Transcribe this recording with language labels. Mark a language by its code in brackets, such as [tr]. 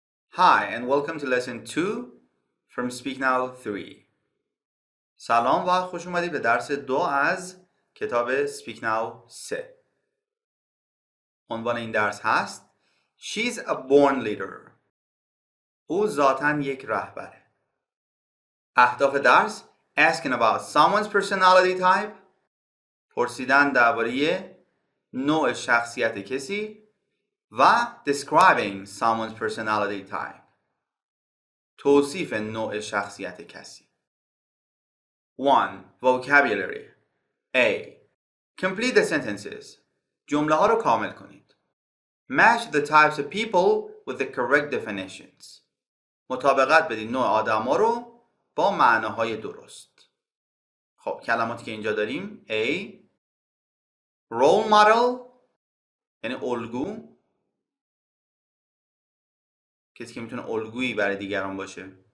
[en] Hi, and welcome to lesson 2 from Speak Now 3. [fa] سلام و خوش اومدید به درس 2 از کتاب Speak Now 3. عنوان این درس هست [en] She's a born leader. [fa] او ذاتاً یک رهبره. اهداف درس [en] Asking about someone's personality type. [fa] پرسیدن درباره نوع شخصیت کسی و [en] describing someone's personality type. [fa] توصیف نوع شخصیت کسی. 1. Vocabulary. A. [en] Complete the sentences. [fa] جمله ها رو کامل کنید. [en] Match the types of people with the correct definitions. [fa] مطابقت بدید نوع آدم ها رو با معناهای درست. خب کلماتی که اینجا داریم A. Role model. یعنی الگو. کسی که میتونه الگویی برای دیگران باشه.